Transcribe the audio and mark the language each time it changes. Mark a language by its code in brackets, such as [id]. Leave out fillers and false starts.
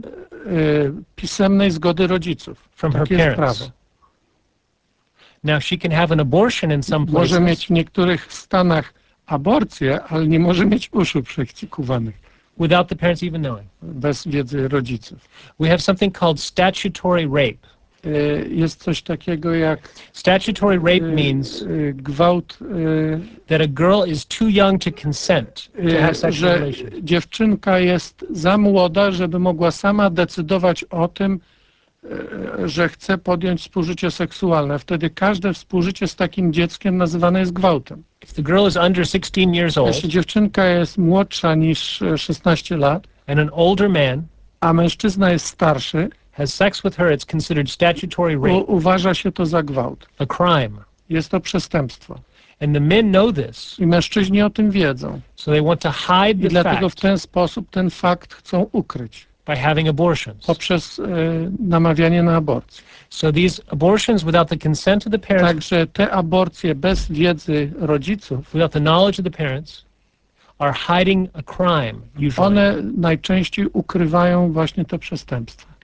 [pl] Bez pisemnej zgody rodziców. [en] From [pl] tak [en] her [pl] jest [en] parents. [pl] Prawo. [en] Now she can have an abortion in some places. [pl] Może mieć w niektórych stanach aborcję, ale nie może mieć uszu przekuwanych. [en] Without the parents even knowing. [pl] Bez wiedzy rodziców. [en] We have something called statutory rape. [pl] Jest coś takiego jak. [en] Statutory rape means [pl] gwałt. [en] That a girl is too young to consent to have sexual relations. [pl] Że dziewczynka jest za młoda, żeby mogła sama decydować o tym, że chce podjąć współżycie seksualne. Wtedy każde współżycie z takim dzieckiem nazywane jest gwałtem. [en] If the girl is under 16 years old, [pl] jeśli dziewczynka jest młodsza niż 16 lat, [en] and an older man, [pl] a mężczyzna jest starszy, [en] has sex with her, it's considered statutory rape. [pl] Uważa się to za gwałt. [en] A crime. [pl] Jest to przestępstwo. [en] And the men know this. [pl] I mężczyźni o tym wiedzą. [en] So they want to hide the [pl] I dlatego [en] fact. [pl] W ten sposób ten fakt chcą ukryć. [en] By having abortions. [pl] Poprzez namawianie na aborcję. [en] So these abortions without the consent of the parents. [pl] Także te aborcje bez wiedzy rodziców. [en] Without the knowledge of the parents, are hiding a crime. Usually. [pl] One najczęściej ukrywają właśnie to przestępstwo.